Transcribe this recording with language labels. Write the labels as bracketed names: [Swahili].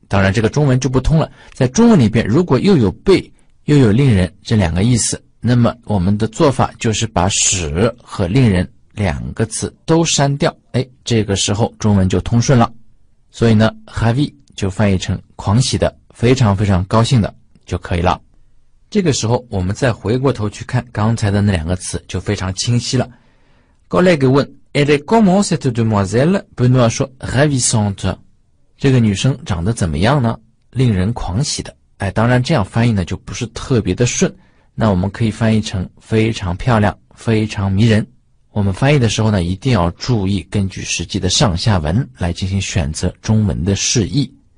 [Chinese] 当然这个中文就不通了，在中文里边如果又有被又有令人这两个意思，那么我们的做法就是把使和令人两个词都删掉，哎，这个时候中文就通顺了。所以呢 ravi 就翻译成狂喜的，非常非常高兴的就可以了。这个时候我们再回过头去看刚才的那两个词就非常清晰了。 [French] Collègue [Chinese] 问 [French] Elle est comment cette demoiselle? [Chinese] Benoît 说 ravissante， 这个女生长得怎么样呢？令人狂喜的。哎，当然这样翻译呢就不是特别的顺，那我们可以翻译成非常漂亮，非常迷人。我们翻译的时候呢一定要注意根据实际的上下文来进行选择中文的释义。